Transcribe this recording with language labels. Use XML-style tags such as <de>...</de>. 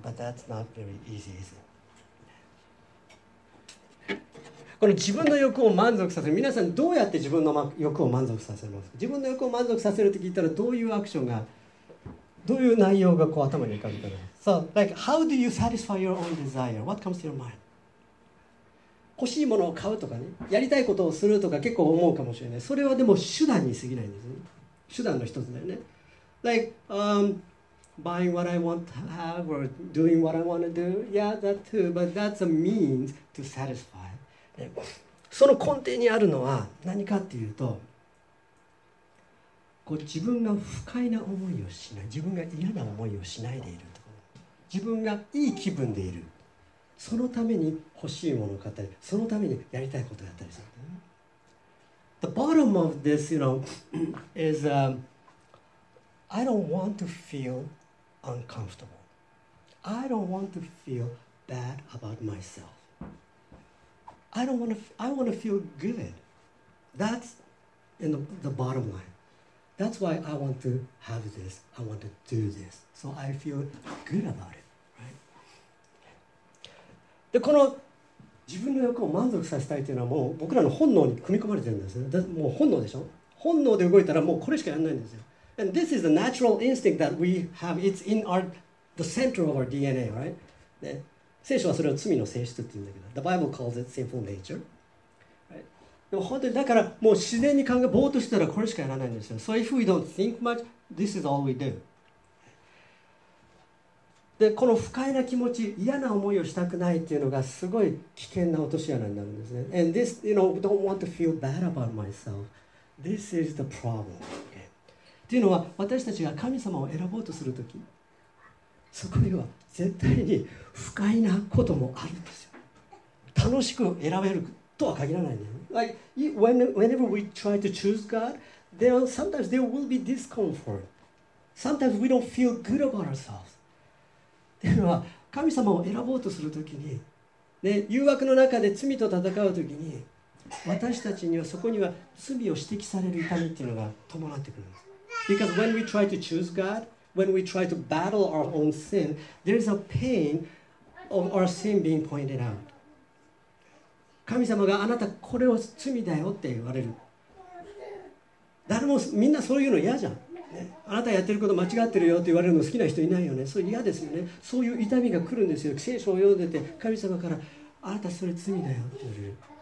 <en>But that's not very easy, is it?</en> <ja>この自分の欲を満足させる、皆さんどうやって自分の欲を満足させますか？自分の欲を満足させるって聞いたらどういうアクションが、どういう内容がこう頭に浮かぶかな。</ja> <en>So, like, how do you satisfy your own desire? What comes to your mind?</en> <ja>欲しいものを買うとかね、やりたいことをするとか結構思うかもしれない。それはでも手段に過ぎないんですね。手段の一つだよね。</ja> <en>Like, buying what I want to have or doing what I want to do. Yeah, that too. But that's a means to satisfy.</en> <ja>その根底にあるのは何かっていうと、こう自分が不快な思いをしない、自分が嫌な思いをしないでいると。自分がいい気分でいる。そのために欲しいものを買ったり、そのためにやりたいことをやったりする。</ja> <en>The bottom of this, you know, is I don't want to feel uncomfortable. I don't want to feel bad about myself. I want to feel good. That's in the bottom line. That's why I want to have this. I want to do this. So I feel good about it.</en> <ja>でこの自分の欲を満足させたいというのはもう僕らの本能に組み込まれてるんですね。もう本能でしょ。本能で動いたらもうこれしかやらないんですよ。</ja> <en>And this is the natural instinct that we have. It's in our the center of our DNA, right?</en> <ja>ね、聖書はそれを罪の性質って言うんだけど、</ja> <en>The Bible calls it sinful nature. Right?</en> <ja>でも本当にだからもう自然に考えぼーっとしたらこれしかやらないんですよ。</ja> <en>So if we don't think much, this is all we do.</en> <ja>でこの不快な気持ち、嫌な思いをしたくないっていうのがすごい危険な落とし穴になるんですね。</ja> <en>And this, you know, don't want to feel bad about myself. This is the problem.</en> <ja>っていうのは私たちが神様を選ぼうとするとき、そこには絶対に不快なこともあるんですよ。楽しく選べるとは限らないんだよね。</ja> <en>Like whenever we try to choose God, there sometimes there will be discomfort. Sometimes we don't feel good about ourselves.</en> <ja>っていうのは神様を選ぼうとするときに、ね、誘惑の中で罪と戦うときに、私たちにはそこには罪を指摘される痛みっていうのが伴ってくるんです。</ja> <en>Because when we try to choose God, when we try to battle our own sin, there's a pain of our sin being pointed out.</en> <ja>神様があなたこれを罪だよって言われる。誰もみんなそういうの嫌じゃん。あなたやってること間違ってるよって言われるの好きな人いないよね。それ嫌ですよね。そういう痛みが来るんですよ。聖書を読んでて神様からあなたそれ罪だよって言われる。</ja>